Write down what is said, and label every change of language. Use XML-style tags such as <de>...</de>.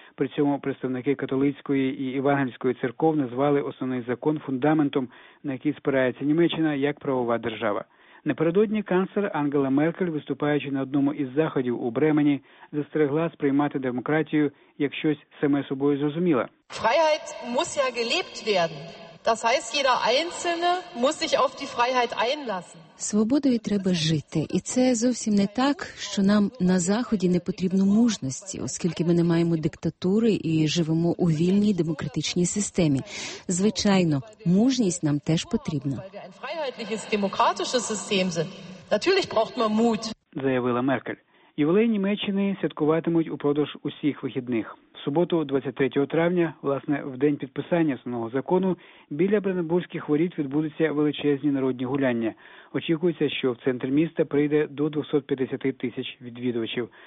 <uk>При цьому представники католицької і євангельської церков назвали основний закон фундаментом, на який спирається Німеччина як правова держава. Напередодні канцлер Ангела Меркель, виступаючи на одному із заходів у Бремені, застерегла сприймати демократію як щось саме собою зрозуміле.</uk> <de>Freiheit muss ja gelebt werden. Das heißt, jeder einzelne muss sich auf die Freiheit einlassen.</de> <uk>Свободою треба жити, і це зовсім не так, що нам на Заході не потрібно мужності, оскільки ми не маємо диктатури і живемо у вільній демократичній системі. Звичайно, мужність нам теж потрібна.</uk> <de>Natürlich braucht man Mut.</de> <uk>Заявила Меркель. Ювілей Німеччини святкуватимуть упродовж усіх вихідних. Суботу, 23 травня, власне, в день підписання основного закону, біля Бранденбурзьких воріт відбудуться величезні народні гуляння. Очікується, що в центр міста прийде до 250 тисяч відвідувачів.</uk>